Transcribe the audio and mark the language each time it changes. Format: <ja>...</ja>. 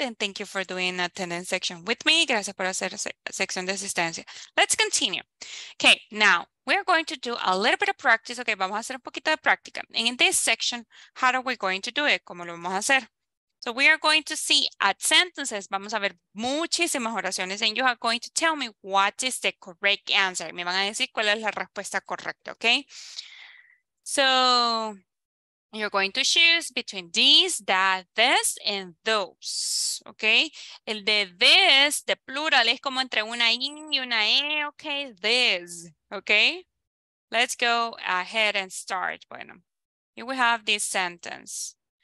<en>And thank you for doing attendance section with me.</en> <es>Gracias por hacer sección de asistencia.</es> <en>Let's continue. Okay. Now we're going to do a little bit of practice. Okay.</en> <es>Vamos a hacer un poquito de práctica.</es> <en>And in this section, how are we going to do it?</en> <es>¿Cómo lo vamos a hacer?</es> <en>So we are going to see at sentences,</en> <es>vamos a ver muchísimas oraciones,</es> <en>and you are going to tell me what is the correct answer.</en> <es>Me van a decir cuál es la respuesta correcta, okay?</es> <en>So you're going to choose between these, that, this, and those, okay?</en> <es>El de this, the plural, es como entre una I y una E, okay? This, okay?</es> <en>Let's go ahead and start. Bueno, here we have this sentence.</en>